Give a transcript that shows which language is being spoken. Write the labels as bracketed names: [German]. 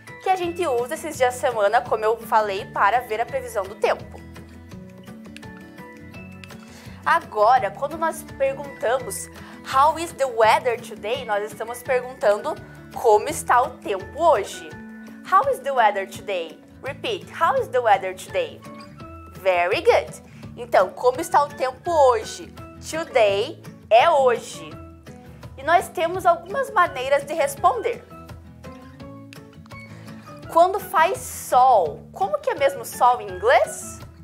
[Portuguese] Que a gente usa esses dias da semana, como eu falei, para ver a previsão do tempo. Agora, quando nós perguntamos [English] How is the weather today? [Portuguese] Nós estamos perguntando como está o tempo hoje. [English] How is the weather today? Repeat, how is the weather today? Very good. [Portuguese] Então, como está o tempo hoje? Today é hoje. E nós temos algumas maneiras de responder. Quando faz sol, como que é mesmo sol em inglês?